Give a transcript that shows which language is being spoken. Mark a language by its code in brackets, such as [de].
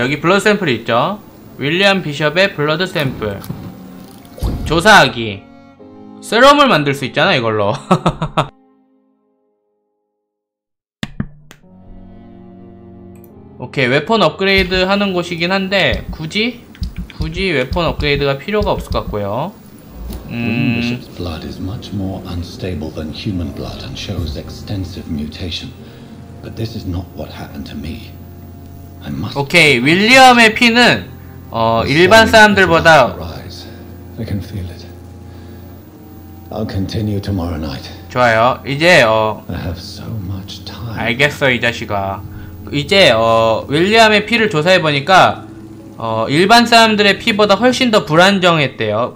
[ko] 여기 블러드 샘플이 있죠? 윌리엄 비숍의 블러드 샘플 조사하기. 세럼을 만들 수 있잖아 이걸로. 오케이, 웨폰 업그레이드 하는 곳이긴 한데 굳이 웨폰 업그레이드가 필요가 없을 것 같고요. [en] The blood is much more unstable than human blood and shows extensive mutation. But this is not what happened to me. I must. [ko] 오케이, 윌리엄의 피는 일반 사람들보다. [en] I can feel it. I'll continue tomorrow night. [ko] 좋아요. 이제 [en] I have so much time. [ko] 알겠어 이 자식아. 이제 윌리엄의 피를 조사해 보니까 일반 사람들의 피보다 훨씬 더 불안정했대요.